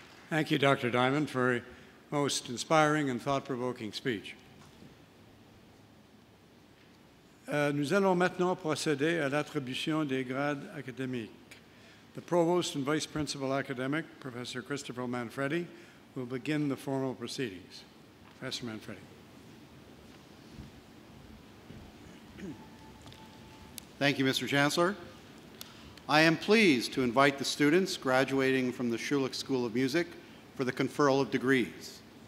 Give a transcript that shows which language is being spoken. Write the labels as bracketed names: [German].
[English] Thank you, Dr. Diamond, for a most inspiring and thought-provoking speech. [French] Nous allons maintenant procéder à l'attribution des grades académiques. [English] The Provost and Vice Principal Academic, Professor Christopher Manfredi, will begin the formal proceedings. Professor Manfredi. Thank you, Mr. Chancellor. I am pleased to invite the students graduating from the Schulich School of Music for the conferral of degrees.